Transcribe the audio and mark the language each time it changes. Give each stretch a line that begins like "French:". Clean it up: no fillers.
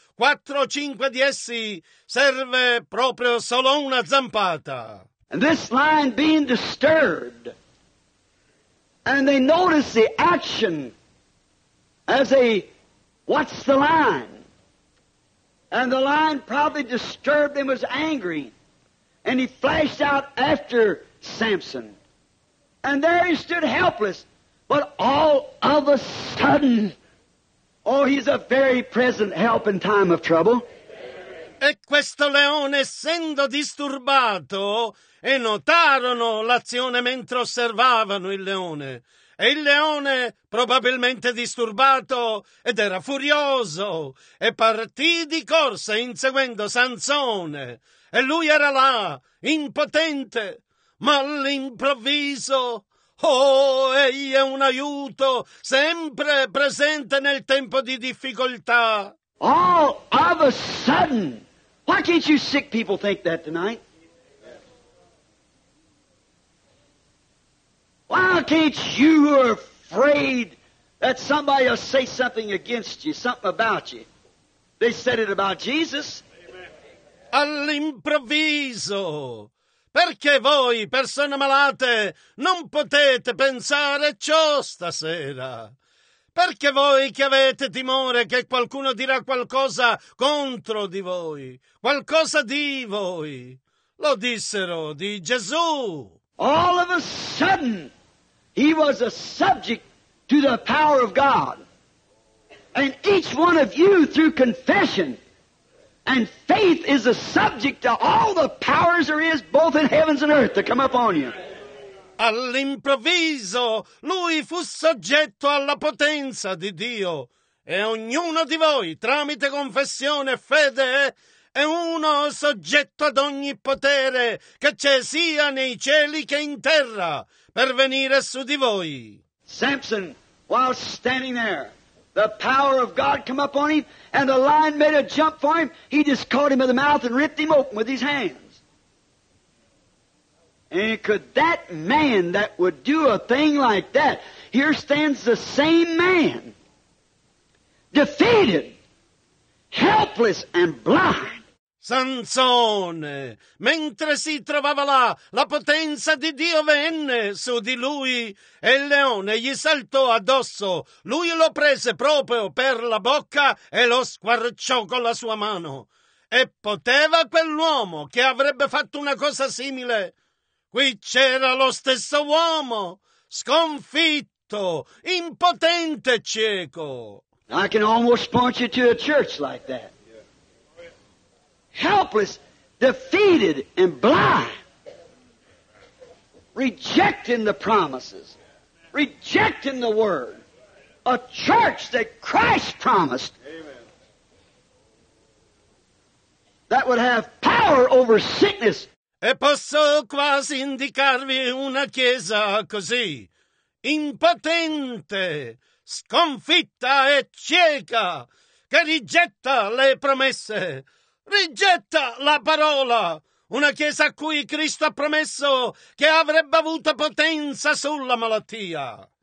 Italian: Quattro o cinque di essi serve proprio solo una zampata.
English: And this lion being disturbed, and they notice the action as they watch the lion. And the lion probably disturbed and was angry. And he flashed out after Samson. And there he stood helpless. But all of a sudden, oh, he's a very present help in time of trouble.
Italian: E questo leone, essendo disturbato, e notarono l'azione mentre osservavano il leone. E il leone, probabilmente disturbato, ed era furioso, e partì di corsa inseguendo Sansone. E lui era là, impotente, ma all'improvviso, oh, egli è un aiuto, sempre presente nel tempo di difficoltà.
English: All of a sudden, why can't you sick people think that tonight? Why can't you who are afraid that somebody will say something against you, something about you? They said it about Jesus.
Italian: All'improvviso. Perché voi, persone malate, non potete pensare ciò stasera? Perché voi che avete timore che qualcuno dirà qualcosa contro di voi, qualcosa di voi? Lo dissero di Gesù.
English: All of a sudden, he was a subject to the power of God. And each one of you through confession and faith is a subject to all the powers there is both in heavens and earth to come upon you.
Italian: All'improvviso lui fu soggetto alla potenza di Dio e ognuno di voi tramite confessione e fede è uno soggetto ad ogni potere che c'è sia nei cieli che in terra per venire su di voi.
English: Samson, while standing there, the power of God come up on him, and the lion made a jump for him. He just caught him by the mouth and ripped him open with his hands. And could that man that would do a thing like that, here stands the same man, defeated, helpless, and blind.
Italian: Sansone, mentre si trovava là, la potenza di Dio venne su di lui e il leone gli saltò addosso. Lui lo prese proprio per la bocca e lo squarciò con la sua mano. E poteva quell'uomo che avrebbe fatto una cosa simile? Qui c'era lo stesso uomo, sconfitto, impotente, cieco.
English: I can almost point you to a church like that. Helpless, defeated, and blind, rejecting the promises, rejecting the word, a church that Christ promised. Amen. That would have power over sickness.
Italian: E posso quasi indicarvi una chiesa così, impotente, sconfitta e cieca, che rigetta le promesse. Rigetta la parola, una chiesa a cui Cristo ha promesso che avrebbe avuto potenza sulla malattia.